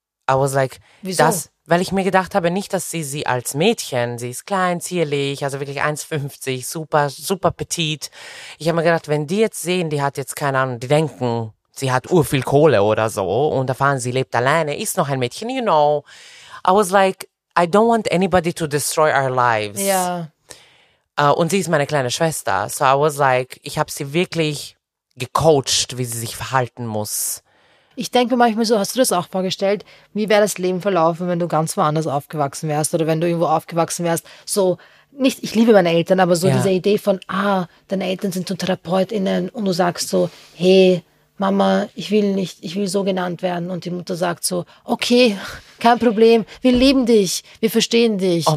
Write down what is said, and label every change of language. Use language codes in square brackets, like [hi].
[en] I was like, [de] weil ich mir gedacht habe, nicht, dass sie als Mädchen, sie ist klein, zierlich, also wirklich 1,50, super, super petit. Ich habe mir gedacht, wenn die jetzt sehen, die hat jetzt keine Ahnung, die denken, sie hat urviel Kohle oder so und erfahren, sie lebt alleine, ist noch ein Mädchen, [en] you know. I was like, I don't want anybody to destroy our lives. [de] Ja. Und sie ist meine kleine Schwester. [en] So I was like, [de] ich habe sie wirklich gecoacht, wie sie sich verhalten muss. Ich denke manchmal so, hast du das auch vorgestellt, wie wäre das Leben verlaufen, wenn du ganz woanders aufgewachsen wärst oder wenn du irgendwo aufgewachsen wärst, so, nicht, ich liebe meine Eltern, aber so diese Idee von, deine Eltern sind so TherapeutInnen und du sagst so, hey, Mama, ich will so genannt werden und die Mutter sagt so, okay, kein Problem, wir lieben dich, wir verstehen dich.